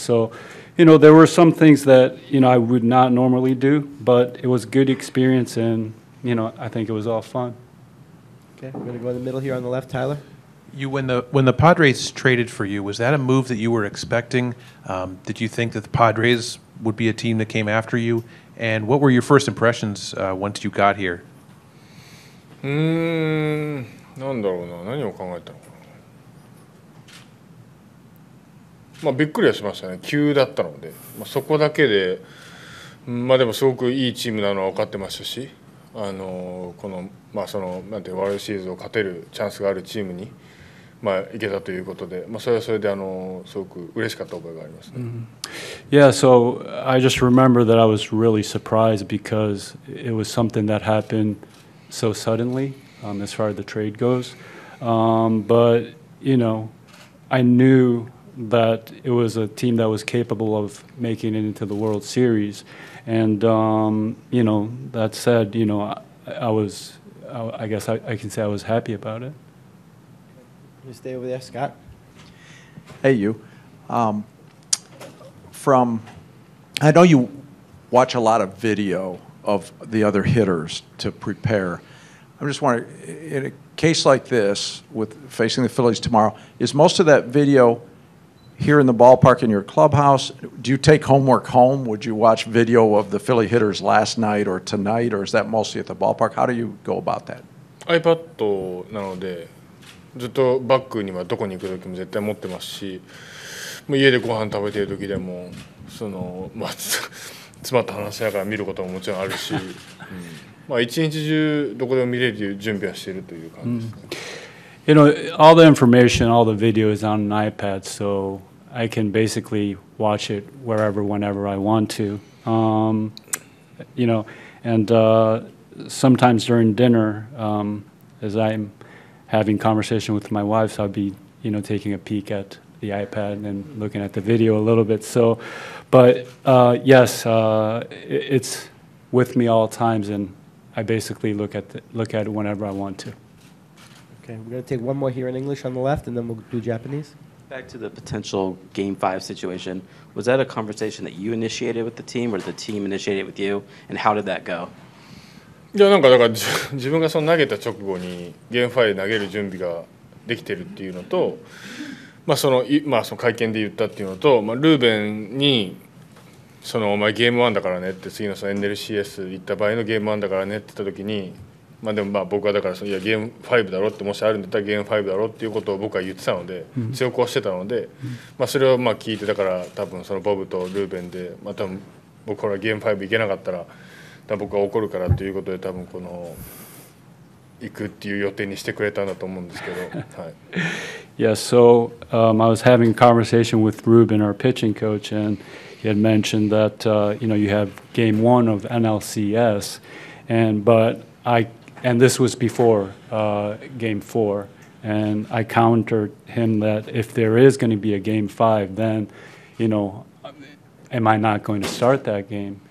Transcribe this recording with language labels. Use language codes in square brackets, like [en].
[en] So, you know, there were some things that, you know, I would not normally do, but it was a good experience and, you know, I think it was all fun. Okay, we're going to go in the middle here on the left, Tyler. You, when the Padres traded for you, was that a move that you were expecting? Did you think that the Padres... would be a team that came after you and what were your first impressions once you got here? [ja] なんだろうな、何を考えたのかな。まあびっくりはしましたね、急だったので、まあ、そこだけで、まあでもすごくいいチームなのは分かってましたし、このまあそのなんていうワールドシリーズを勝てるチャンスがあるチームに、まあ、行けたということで、まあ、それはそれで、すごく嬉しかった覚えがありますね。 [en] Yeah, so I just remember that I was really surprised because it was something that happened so suddenly, as far as the trade goes. But, you know, I knew that it was a team that was capable of making it into the World Series. And, you know, that said, you know, I can say I was happy about it. Can you stay over there, Scott? Hey, you. From, I know you watch a lot of video of the other hitters to prepare. I'm just wondering, in a case like this, with facing the Phillies tomorrow, is most of that video here in the ballpark in your clubhouse? Do you take homework home? Would you watch video of the Philly hitters last night or tonight, or is that mostly at the ballpark? How do you go about that? [ja] iPad なのでずっとバッグにはどこに行くときも絶対持ってますし、もう家でご飯食べてるときでもそのまあ妻と話しながら見ることももちろんあるし、まあ一日中どこでも見れる準備はしているという感じです [en] ね。You know, all the information, all the video is on an iPad, so I can basically watch it wherever, whenever I want to. You know, and sometimes during dinner, as I'm having conversation with my wife, so I'll be, you know, taking a peek at the iPad and looking at the video a little bit. So, but yes, it's with me all times, and I basically look at it whenever I want to. Okay, we're going to take one more here in English on the left, and then we'll do Japanese. Back to the potential Game 5 situation. Was that a conversation that you initiated with the team, or did the team initiate it with you, and how did that go? [ja] いやなんかだから自分がその投げた直後にゲームファイで投げる準備ができてるっていうのと、まあそのまあ、その会見で言ったっていうのと、まあ、ルーベンにそのお前ゲーム1だからねって次 の, その NLCS 行った場合のゲーム1だからねって言った時に、まあ、でもまあ僕はだからそのいやゲーム5だろってもしあるんだったらゲーム5だろっていうことを僕は言ってたので強く押してたので、まあ、それをまあ聞いてだから多分そのボブとルーベンで、まあ、多分僕これはゲーム5行けなかったら僕は怒るからということで多分この行くっていう予定にしてくれたんだと思うんですけど、はい。 [en] Yes, so I was having a conversation with Ruben, our pitching coach, and he had mentioned that you know you have game one of NLCS, and this was before game four, and I countered him that if there is going to be a game five, then you know am I not going to start that game?